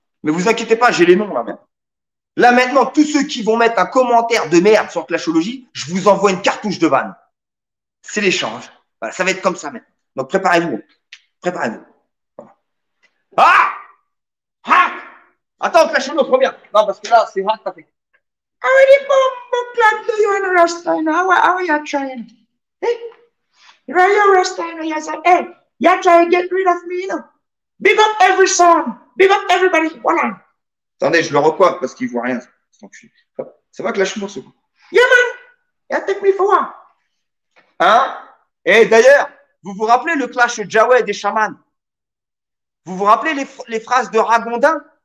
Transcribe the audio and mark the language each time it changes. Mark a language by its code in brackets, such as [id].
[fr] Mais vous inquiétez pas, j'ai les noms, là-même. Là, maintenant, tous ceux qui vont mettre un commentaire de merde sur Clashologie, je vous envoie une cartouche de vanne. C'est l'échange. Voilà, ça va être comme ça, même. Donc, préparez-vous. Voilà. Ah! Attends, Clashologie, reviens. Non, parce que là, c'est hard to fait. [en] How many bombo clubs do you have in Rostein? How are you trying? Hey, where are you, Rostein? Hey, you're trying to get rid of me, you know? Big up every song. Big up everybody. [fr] Voilà. Attendez, je le recoiffe parce qu'il voit rien. Ça va, Clashologie, ce coup? [en] Yeah, man. Yeah, take me for one. [fr] Hein? Et d'ailleurs, vous vous rappelez le clash Jawed des chamans? Vous vous rappelez les phrases de Ragondin?